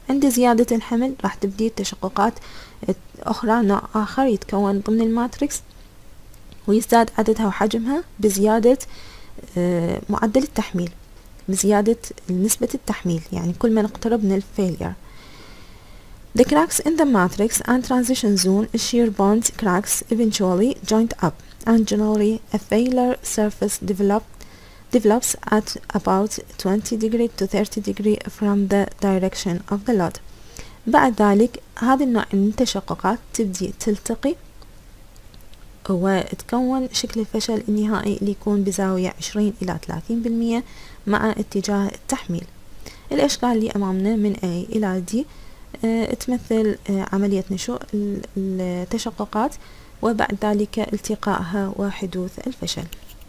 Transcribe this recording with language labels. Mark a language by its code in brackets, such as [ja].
[ar] عند زيادة الحمل راح تبدي التشققات أخرى نوع آخر يتكون ضمن الماتريكس ويزداد عددها وحجمها بزيادة معدل التحميل، بزيادة نسبة التحميل يعني كل ما نقترب من الفيلير. [en] The cracks in the matrix and transition zone shear bond cracks eventually joint up and generally a failure surface develops at about 20 degree to 30 degree from the direction of the load. [ar] بعد ذلك هذه النوع من التشققات تبدي تلتقي وتكون شكل الفشل النهائي اللي يكون بزاوية 20-30% مع اتجاه التحميل. الأشكال اللي أمامنا من A إلى D تمثل عملية نشوء التشققات وبعد ذلك التقائها وحدوث الفشل.